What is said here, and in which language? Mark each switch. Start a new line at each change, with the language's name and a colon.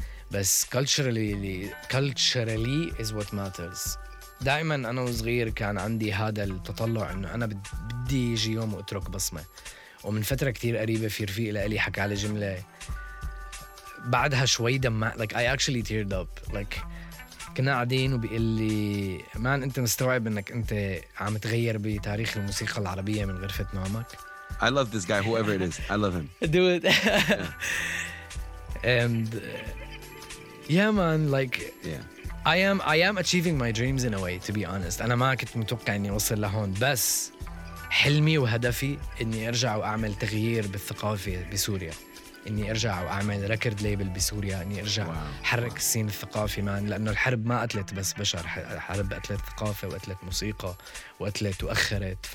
Arabic: بس
English: culturally is what matters.
Arabic: دائما أنا وصغير كان عندي هذا التطلع إنه أنا بدي يجي يوم وأترك بصمة. ومن فترة كتير قريبة في رفيق لقلي حكى على جملة بعدها شوي دمع,
English: like I actually teared up, like
Arabic: كنا قاعدين وبيقول لي مان انت مستوعب انك انت عم تغير بتاريخ الموسيقى العربيه من غرفه نومك.
English: I love this guy whoever it is. I love him. Do it. And yeah man, like yeah. I am achieving my dreams in a way, to be honest.
Arabic: انا ما كنت متوقع اني اوصل لهون, بس حلمي وهدفي اني ارجع واعمل تغيير بالثقافه بسوريا, اني ارجع واعمل ريكورد ليبل بسوريا, اني ارجع احرك السين الثقافي مان, لانه الحرب ما قتلت بس بشر, الحرب قتلت ثقافه وقتلت موسيقى وقتلت واخرت.